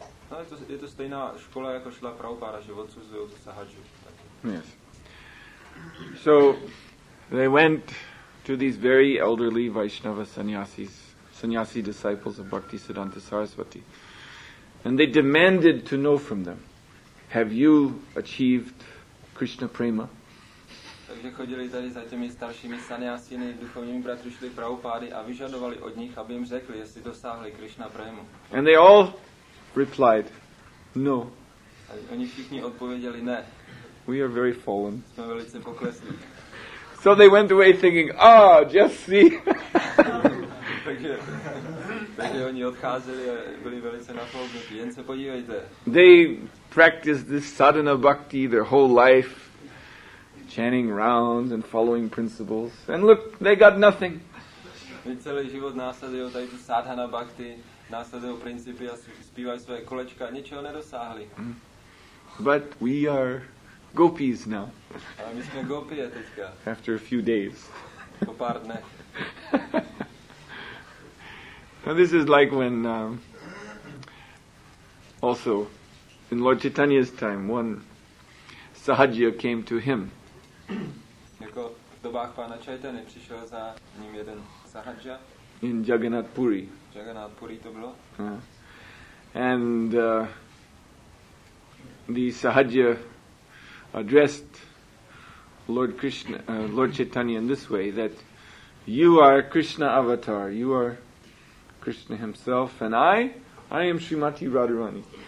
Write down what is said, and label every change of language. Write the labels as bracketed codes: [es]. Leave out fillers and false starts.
[cs] No, je to stejná škola, jako šla Prabhupada, že odsuzují tu sahadžu. [en] Yes. So, they went to these very elderly Vaishnava sannyasis, sannyasi disciples of Bhakti Siddhanta Saraswati. And they demanded to know from them, have you achieved Krishna prema? [cs] Takže chodili tady za těmi staršími sannyasiny, duchovními bratry šli Prabhupády a vyžadovali od nich, aby jim řekli, jestli dosáhli Krishna prému. [en] And they all replied, no. [cs] A oni všichni odpověděli ne. [en] We are very fallen. [cs] Jsme velice poklesli. [en] So they went away thinking, ah, oh, just see. [cs] Takže oni odcházeli a byli velice nafouknutí. Jen se podívejte. [en] They practiced this sadhana bhakti their whole life, chanting rounds and following principles. And look, they got nothing. [cs] Celý život následují tady tu sadhana bhakti, následují principy a zpívají svoje kolečka, ničeho nedosáhli. [en] But we are gopis now. [cs] Ale my jsme gopie teďka. [en] After a few days. [cs] Po pár dnech. [en] Now this is like when also in Lord Chaitanya's time one sahajya came to him. [cs] Jako v dobách pána Chaitany přišel za ním jeden sahajja. [en] In Jagannath Puri. [cs] Jagannath Puri to bylo. [en] And the sahajya addressed Lord Krishna, Lord Chaitanya in this way, that you are Krishna avatar, you are Krishna himself, and I am Srimati Radharani.